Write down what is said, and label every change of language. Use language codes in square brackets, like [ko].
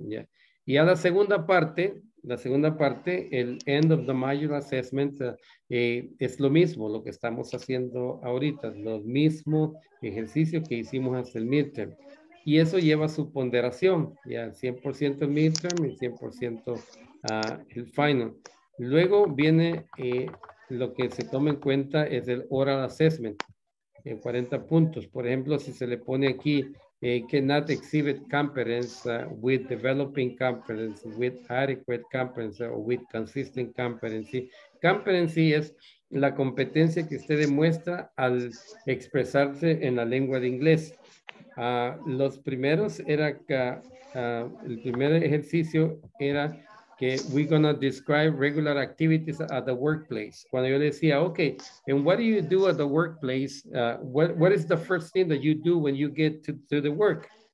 [es] ¿Ya? Y a la segunda parte, el end of the major assessment, es lo mismo, lo que estamos haciendo ahorita, los mismos ejercicios que hicimos hasta el midterm. Y eso lleva su ponderación, ya 100% el midterm y 100% el final. Luego viene lo que se toma en cuenta es el oral assessment, 40 puntos. Por ejemplo, si se le pone aquí, [en] cannot exhibit competence with developing competence, with adequate competence, or with consistent competency. [es] Competency es la competencia que usted demuestra al expresarse en la lengua de inglés. Los primeros era que el primer ejercicio era [en] que we're gonna describe regular activities at the workplace. [es] Cuando yo decía, [en] okay, and what do you do at the workplace? What is the first thing that you do when you get to the work?